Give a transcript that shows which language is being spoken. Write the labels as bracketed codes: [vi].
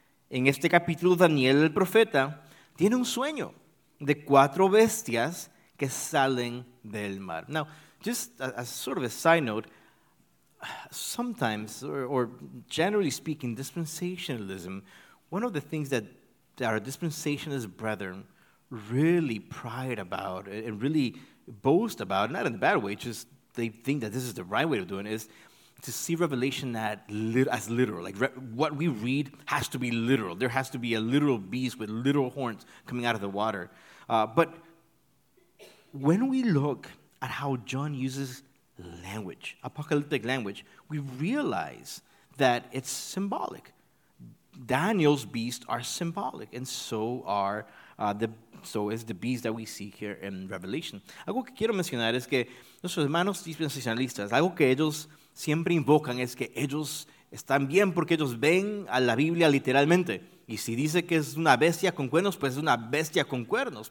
[es] En este capítulo, Daniel, el profeta, tiene un sueño de cuatro bestias que salen del mar. [en] Now, just as sort of a side note, sometimes, or generally speaking, dispensationalism, one of the things that our dispensationalist brethren really pride about and really boast about, not in a bad way, just they think that this is the right way of doing it, is to see Revelation as literal. Like what we read has to be literal. There has to be a literal beast with literal horns coming out of the water. But when we look at how John uses language, apocalyptic language, we realize that it's symbolic. Daniel's beasts are symbolic, and so are so is the beast that we see here in Revelation. [es] Algo que quiero mencionar es que nuestros hermanos dispensacionalistas, algo que ellos siempre invocan es que ellos están bien porque ellos ven a la Biblia literalmente. Y si dice que es una bestia con cuernos, pues es una bestia con cuernos.